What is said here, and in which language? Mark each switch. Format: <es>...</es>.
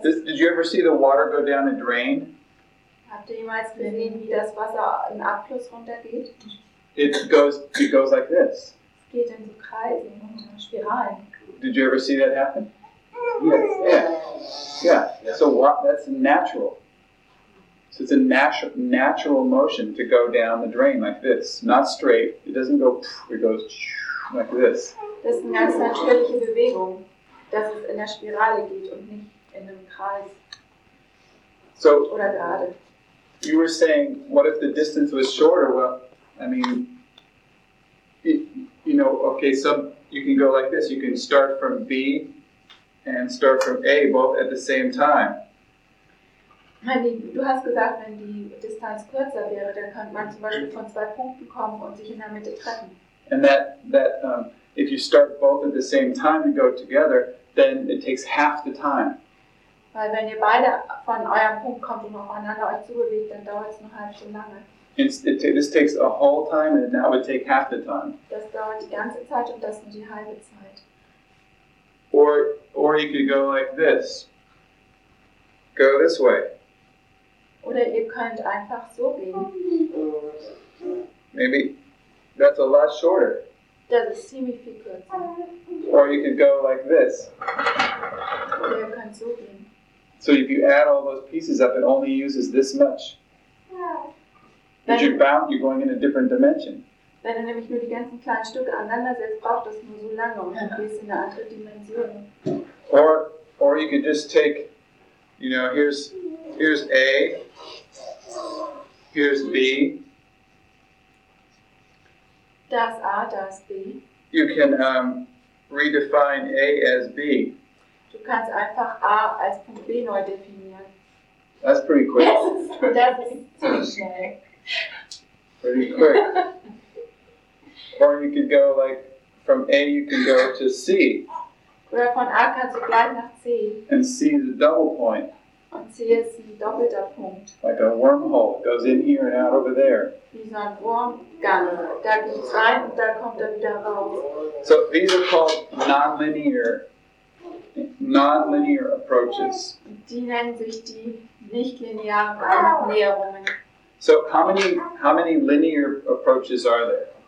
<en>Did you ever see the water go down a drain?</en> <de>Habt ihr jemals gesehen, wie das Wasser einen Abfluss runtergeht?</de> <en>It goes like this.</en> <de>Geht in so Kreisen und Spiralen.</de> <en>Did you ever see that happen? Yes. Yeah. So that's natural. So it's a natural motion to go down the drain like this, not straight. It doesn't go, it goes like this.</en> <de>Das ist eine ganz natürliche Bewegung, dass es in der Spirale geht und nicht in einem Kreis.</de> <en>So,</en> <de>oder gerade.</de> <en>You were saying, what if the distance was shorter? Well, I mean, you know, okay, so you can go like this. You can start from B and start from A both at the same time.</en> <de>Du hast gesagt, wenn die Distanz kürzer wäre, dann könnte man zum Beispiel von zwei Punkten kommen und sich in der Mitte treffen.</de> <en>And that if you start both at the same time and go together, then it takes half the time.</en> <de>Weil wenn ihr beide von eurem Punkt kommt und aufeinander euch zubewegt, dann dauert es eine halbe Stunde lange.</de> <en>This takes a whole time and that would take half the time.</en> <de>Das dauert die ganze Zeit und das nur die halbe Zeit.</de> <en>Or you could go like this. Go this way.</en> <de>Oder ihr könnt einfach so gehen.</de> <en>Maybe that's a lot shorter.</en> <de>Das ist ziemlich viel kürzer.</de> <en>Or you could go like this.</en> <de>Oder ihr könnt so gehen.</de> <en>So if you add all those pieces up, it only uses this much. You're going in a different dimension.</en> <de>Wenn du nämlich nur die ganzen kleinen Stücke aneinander setzt, braucht das nur so lange und dann gehst du in eine andere Dimension.</de> <en>Or you could just take, you know, here's A, here's B.</en> <de>Das A, das B.</de> <en>You can redefine A as B.</en> <de>Du kannst einfach A als Punkt B neu definieren.</de> <en>That's pretty quick. Yes, that's</en> <de>ziemlich schnell.</de> <en>Pretty quick. Or you could go like from A you can go to C.</en> <de>Oder von A kannst du gleich nach C.</de> <en>And C is a double point.</en> <de>Und C ist ein doppelter Punkt.</de> <en>Like a wormhole. It goes in here and out over there.</en> <de>Wie so ein Wurmgang. Da geht's rein und da kommt er wieder raus.</de> <en>So these are called non-linear approaches.</en> <de>Die nennen sich die nicht-linearen Annäherungen.</de> <en>So how many linear approaches are there?</en>